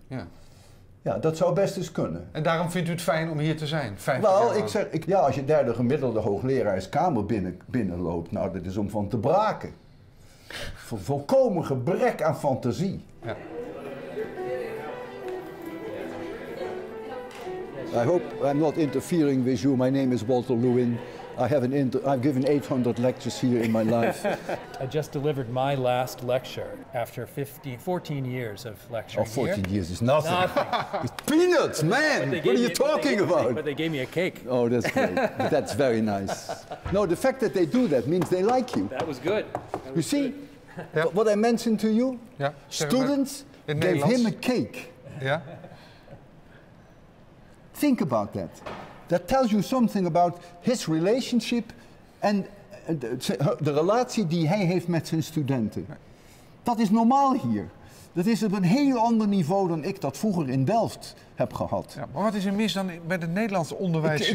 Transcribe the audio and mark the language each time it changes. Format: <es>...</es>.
<nl>Ja. Ja, dat zou best eens kunnen. En daarom vindt u het fijn om hier te zijn? Als je derde gemiddelde hoogleraarskamer binnenloopt, nou, dat is om van te braken. Volkomen gebrek aan fantasie. Ja.</nl> <en>I hope I'm not interfering with you. My name is Walter Lewin. I've given 800 lectures here in my life. I just delivered my last lecture after 14 years of lecturing. Oh, 14 here. Years is nothing. Nothing. It's peanuts, man. What are you talking about? But they gave me a cake. Oh, that's great. That's very nice. No, the fact that they do that means they like you. That was good. You see, what I mentioned to you, students gave him a cake. Yeah. Think about that. That tells you something about his relationship and</en> <nl>de relatie die hij heeft met zijn studenten. Dat is normaal hier. Dat is op een heel ander niveau dan ik dat vroeger in Delft heb gehad. Ja, maar wat is er mis dan met het Nederlands onderwijssysteem?</nl>